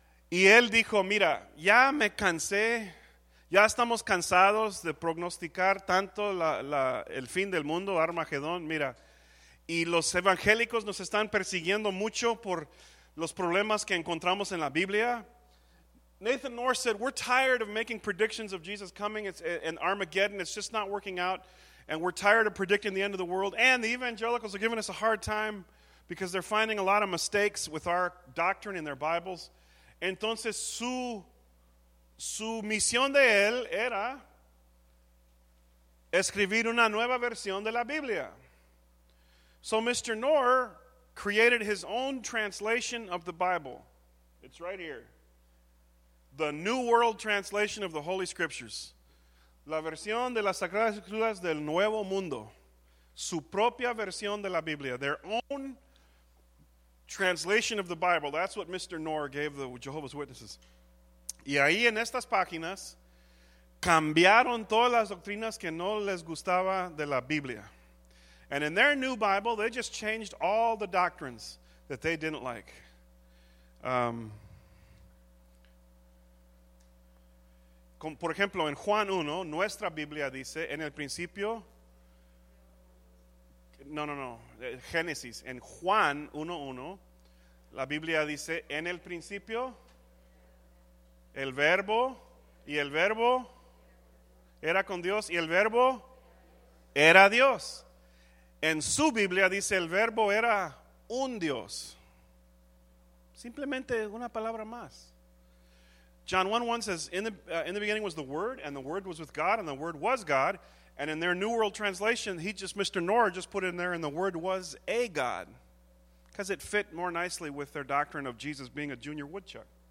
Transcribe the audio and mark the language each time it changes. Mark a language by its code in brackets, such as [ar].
[es] Y él dijo, mira, ya me cansé. Ya estamos cansados de prognosticar tanto el fin del mundo, Armagedón, mira. Y los evangélicos nos están persiguiendo mucho por los problemas que encontramos en la Biblia. [en] Nathan Knorr said, we're tired of making predictions of Jesus coming and Armageddon. It's just not working out. And we're tired of predicting the end of the world. And the evangelicals are giving us a hard time because they're finding a lot of mistakes with our doctrine in their Bibles. [es] Entonces, su misión de él era escribir una nueva versión de la Biblia. [en] So Mr. Knorr created his own translation of the Bible. It's right here. The New World Translation of the Holy Scriptures. [es] La versión de las Sagradas Escrituras del Nuevo Mundo. Su propia versión de la Biblia. [en] Their own translation of the Bible. That's what Mr. Knorr gave the Jehovah's Witnesses. [es] Y ahí en estas páginas cambiaron todas las doctrinas que no les gustaba de la Biblia. [en] And in their new Bible, they just changed all the doctrines that they didn't like. [es] Por ejemplo, en Juan 1, nuestra Biblia dice, en el principio, no, Génesis. En Juan 1:1, la Biblia dice, en el principio, el verbo, y el verbo era con Dios, y el verbo era Dios. En su Biblia dice, el verbo era un Dios. Simplemente una palabra más. [en] John 1:1 says, in the beginning was the Word, and the Word was with God, and the Word was God. And in their New World Translation, Mr. Knorr just put in there, and the Word was a God. Because it fit more nicely with their doctrine of Jesus being a junior woodchuck.